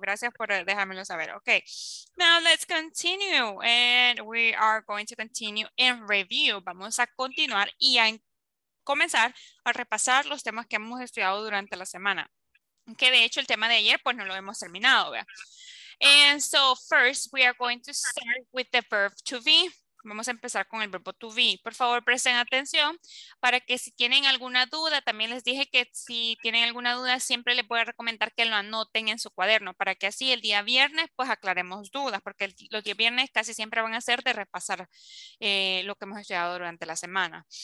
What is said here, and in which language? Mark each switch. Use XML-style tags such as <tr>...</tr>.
<es>Gracias por dejármelo saber.</es> <en>Okay, now let's continue and we are going to continue in review.</en> <es>Vamos a continuar y a comenzar a repasar los temas que hemos estudiado durante la semana. Que de hecho el tema de ayer pues no lo hemos terminado, ¿vea?</es> <en>And so first we are going to start with the verb to be.</en> <es>Vamos a empezar con el verbo to be. Por favor, presten atención para que si tienen alguna duda, también les dije que si tienen alguna duda siempre les voy a recomendar que lo anoten en su cuaderno para que así el día viernes pues aclaremos dudas, porque los días viernes casi siempre van a ser de repasar lo que hemos estudiado durante la semana.</es>